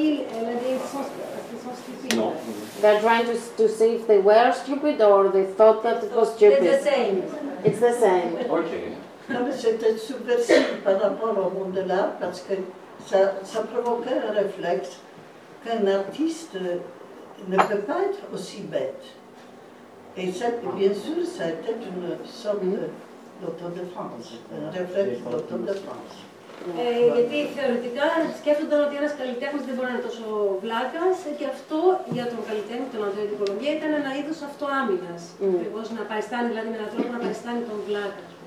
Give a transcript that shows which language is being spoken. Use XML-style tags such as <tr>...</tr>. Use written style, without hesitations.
<en>They're trying to see if they were stupid or they thought that it was stupid. It's the same. It's the same. Okay.</en> <fr>Non, mais c'était subversif par rapport au monde de l'art parce que ça provoquait un réflexe qu'un artiste ne peut pas être aussi bête. Et ça, bien sûr, ça était une sorte d'autodéfense, un réflexe d'autodéfense.</fr> <el>Γιατί θεωρητικά σκέφτονταν ότι ένας καλλιτέχνης δεν μπορεί να είναι τόσο βλάκας και αυτό για τον καλλιτέχνη, τον Αντώνιο την Κολομβία, ήταν ένα είδος αυτοάμυνας. Ακριβώς να παριστάνει, δηλαδή με έναν τρόπο να παριστάνει τον βλάκα.</el>